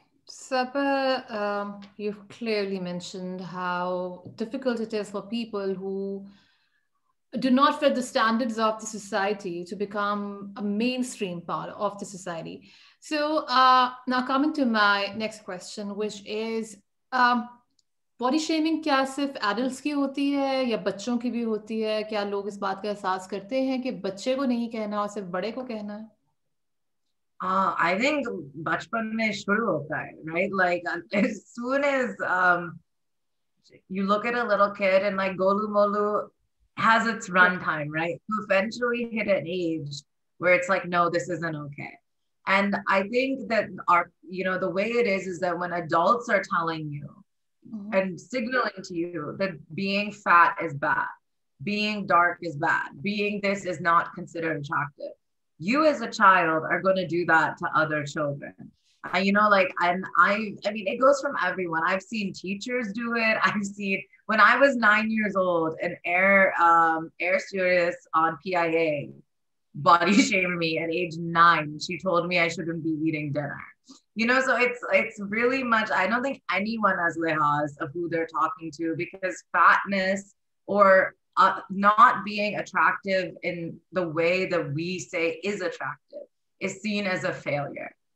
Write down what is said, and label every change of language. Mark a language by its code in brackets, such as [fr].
[en] Sabah, you've clearly mentioned how difficult it is for people who do not fit the standards of the society to become a mainstream part of the society. So now coming to my next question, which is, [ur] body shaming کیا صرف adults کی ہوتی ہے یا بچوں کی بھی ہوتی ہے؟ کیا لوگ اس بات کا احساس کرتے ہیں کہ بچے کو نہیں کہنا اور صرف بڑے کو کہنا ہے؟ [en] I think بچپن میں شروع ہوتا ہے, right? Like as soon as you look at a little kid and like گولو مولو has its run time, right? You eventually hit an age where it's like no this isn't okay. And I think that are you know the way it is that when adults are telling you and signalling to you that being fat is bad, being dark is bad, being this is not considered attractive, you as a child are going to do that to other children. I, you know, like, and I mean, it goes from everyone. I've seen teachers do it. I've seen, when I was 9 years old, an air stewardess on PIA body shamed me at age 9. She told me I shouldn't be eating dinner. You know, so it's really much, I don't think anyone has lihaz of who they're talking to, because fatness or not being attractive in the way that we say is attractive is seen as a failure.